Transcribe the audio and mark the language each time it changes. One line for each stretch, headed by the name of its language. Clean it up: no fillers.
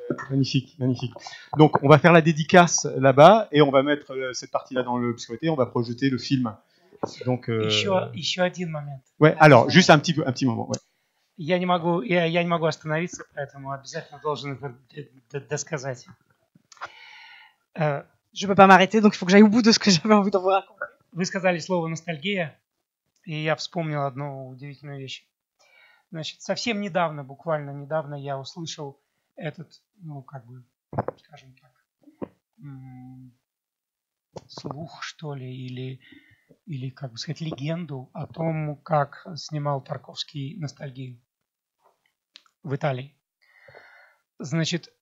French: Magnifique, magnifique. Donc on va faire la dédicace là-bas et on va mettre cette partie-là dans l'obscurité. On va projeter le film. Donc.
Russian: Еще один момент. Ouais.
French: Alors juste un petit moment. Ouais.
Russian: Я не могу остановиться, поэтому обязательно должен это досказать.
French: Je peux pas m'arrêter, donc il faut que j'aille au bout de ce que j'avais envie de vous raconter.
Russian: Вы сказали слово «ностальгия», и я вспомнил одну удивительную вещь. Значит, совсем недавно, буквально недавно, я услышал этот, ну, как бы, скажем так, слух, что ли, или, как бы сказать, легенду о том, как снимал Тарковский «Ностальгию» в Италии. Значит,